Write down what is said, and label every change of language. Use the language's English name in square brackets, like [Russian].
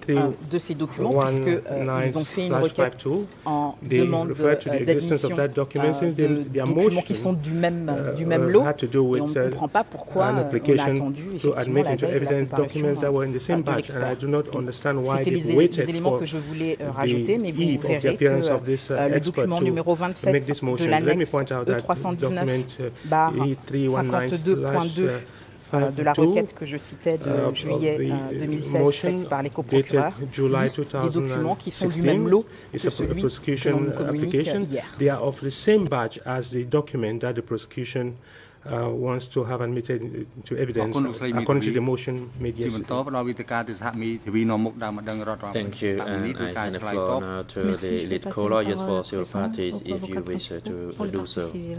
[English] E3-19/52, they referred to the existence of that document since their motion had to do with an application to admit into evidence documents that were in the same batch. And I do not understand why they waited for [French] que je voulais rajouter, mais vous verrez que le document numéro 27 de l'annexe E319-52.2 de la requête que je citais de juillet 2016 faite par les coprocureurs liste des documents qui sont du même lot que celui que l'on nous communique hier. [English] They are of the same batch as the document that the prosecution wants to have admitted to evidence according to the motion made yesterday. Thank you, and I hand the floor now to the lead co-lawyers for civil parties if you wish to do so.